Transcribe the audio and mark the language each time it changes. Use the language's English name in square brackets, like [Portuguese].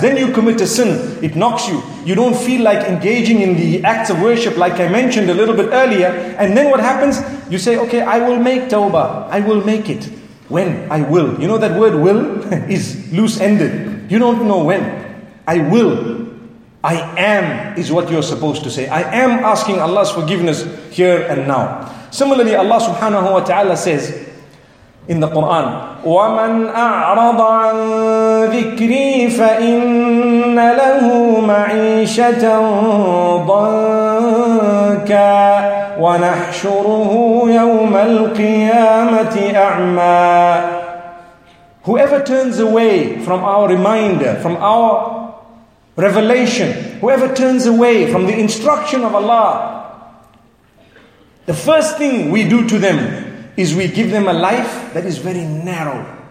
[English] Then you commit a sin, it knocks you. You don't feel like engaging in the acts of worship like I mentioned a little bit earlier. And then what happens? You say, okay, I will make tawbah. I will make it. When? I will. You know that word will is loose-ended. You don't know when. I will. I am is what you're supposed to say. I am asking Allah's forgiveness here and now. Similarly, Allah subhanahu wa ta'ala says in the Quran, [Arabic] وَمَنْ أَعْرَضَ عَن ذِكْرِي فَإِنَّ لَهُ مَعِيشَةً ضَنْكَا وَنَحْشُرُهُ يَوْمَ الْقِيَامَةِ أَعْمَى. [English] Whoever turns away from our reminder, from our revelation, whoever turns away from the instruction of Allah, the first thing we do to them is we give them a life that is very narrow.